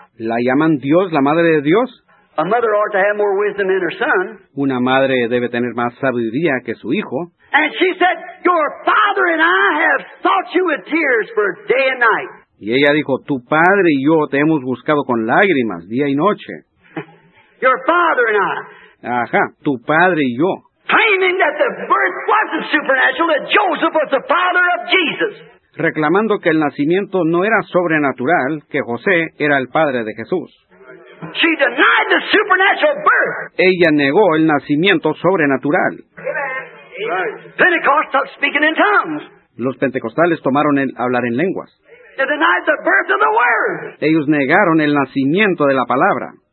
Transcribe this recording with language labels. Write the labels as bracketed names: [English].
[Spanish] La llaman Dios, la madre de Dios. [English] A mother ought to have more wisdom than her son. [Spanish] Una madre debe tener más sabiduría que su hijo. [English] And she said, your father and I have sought you with tears for day and night. [Spanish] Y ella dijo, tu padre y yo te hemos buscado con lágrimas día y noche. [English] Your father and I. [Spanish] Ajá, tu padre y yo. [English] Claiming that the birth wasn't supernatural, that Joseph was the father of Jesus. [Spanish] Reclamando que el nacimiento no era sobrenatural, que José era el padre de Jesús. [English] She denied the supernatural birth. [Spanish] Ella negó el nacimiento sobrenatural. [English] Right. Pentecost took speaking in tongues. [Spanish] Los pentecostales tomaron el hablar en lenguas. [English] They denied the birth of the word. [Spanish] Ellos negaron el nacimiento de la palabra.